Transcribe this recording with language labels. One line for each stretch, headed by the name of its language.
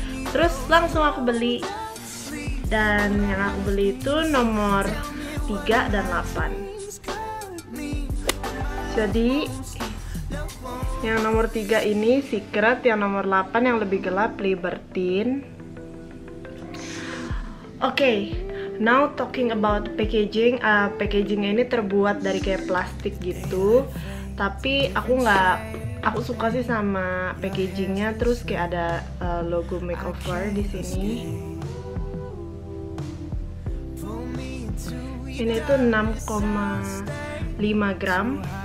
Indonesian: Terus langsung aku beli. Dan yang aku beli itu nomor 3 dan 8. Jadi yang nomor 3 ini Secret, yang nomor 8 yang lebih gelap Libertine.
English: Okay, now talking about packaging.
Indonesian: Packagingnya ini terbuat dari kayak plastik gitu. Tapi aku suka sih sama packagingnya. Terus kayak ada logo Makeover di sini. Ini tuh 6,5 gram.